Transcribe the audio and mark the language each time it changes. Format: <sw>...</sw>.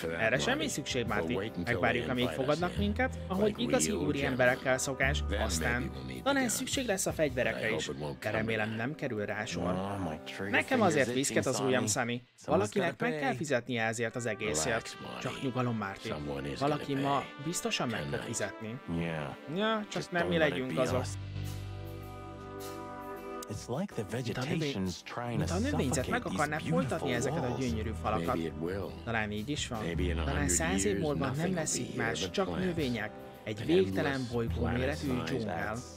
<hu>Erre semmi szükség, Marty. Megvárjuk, amíg fogadnak minket, ahogy igazi úri emberekkel szokás, aztán talán szükség lesz a fegyverekre is, de remélem nem kerül rá sor. Nekem azért viszket az ujjam, Sunny. Valakinek meg kell fizetni ezért az egészért. Csak nyugalom, Marty. Valaki ma biztosan meg kell fizetni. Ja, csak nem mi legyünk azok.</hu> <en>It's like the vegetation's trying to suffocate these beautiful walls.</en> <hu>Ezeket a gyönyörű falakat. Talán így is van. Talán 100 év múlva nem lesz itt más, csak növények. Egy végtelen bolygó méretű dzsungel.</hu>